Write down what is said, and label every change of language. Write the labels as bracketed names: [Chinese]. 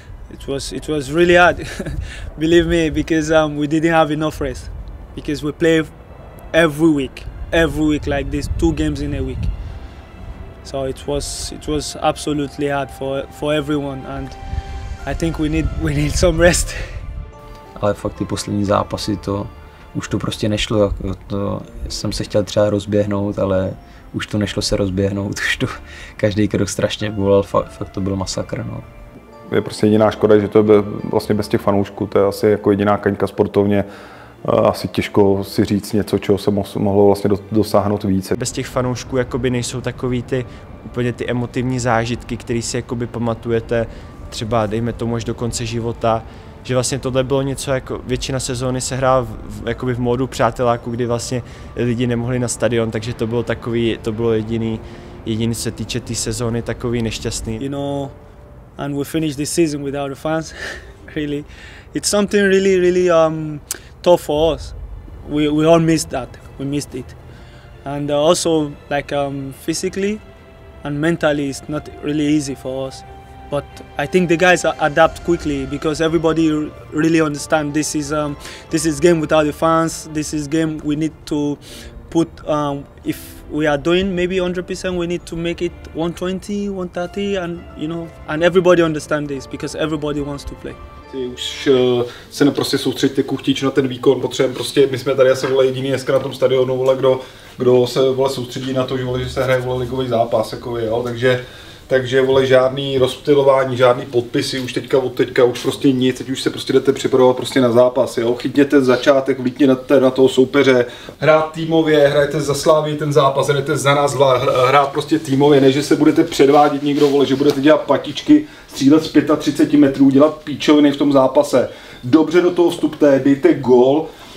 [English] It was really hard, believe me, because we didn't have enough rest because we play every week like this, 2 games in a week. So it was absolutely hard for everyone and I think we need some rest. [Czech] Ale fakt ty poslední zápasy, to už to prostě nešlo, to jsem se chtěl třeba rozběhnout, ale už to nešlo se rozběhnout, už to každý krok strašně bolel, fakt to byl masakr. No. Je prostě jediná škoda, že to je vlastně bez těch fanoušků, to je asi jako jediná kaňka sportovně, asi těžko si říct něco, čeho se mohlo vlastně dosáhnout více. Bez těch fanoušků jakoby nejsou takový ty úplně ty emotivní zážitky, které si jakoby pamatujete třeba dejme tomu až do konce života. Že vlastně tohle bylo něco, jako většina sezóny se hrá v módu přáteláku, kdy vlastně lidi nemohli na stadion, takže to bylo takový, to bylo jediný se týče té sezóny takový nešťastný. [English] You know, and we finished this season without the fans, really. It's something really, really tough for us. we all missed that. We missed it. And also like physically and mentally it's not really easy for us. But I think the guys adapt quickly because everybody really understand this is game without the fans. This is game we need to put, if we are doing maybe 100%, we need to make it 120, 130, and you know, and everybody understand this because everybody wants to play. [Czech] Ty už se neprostě soustředit ty kuchtič na ten výkon, potřebujeme prostě, my jsme tady asi vole jediný dneska na tom stadionu, vole, kdo se vole soustředí na to, že se hraje vole ligový zápas, jako je, jo, takže vole žádný rozptylování, žádný podpisy, už teďka od teďka už prostě nic, teď už se prostě jdete připravovat prostě na zápas, jo, chytněte začátek, vlítněte na toho soupeře, hrát týmově, hrajete za Slávy ten zápas, hrajete za nás, hrát prostě týmově, ne že se budete předvádět někdo, vole, že budete dělat patičky, střílet z 35 metrů, dělat píčoviny v tom zápase, dobře do toho vstupte, dejte gól.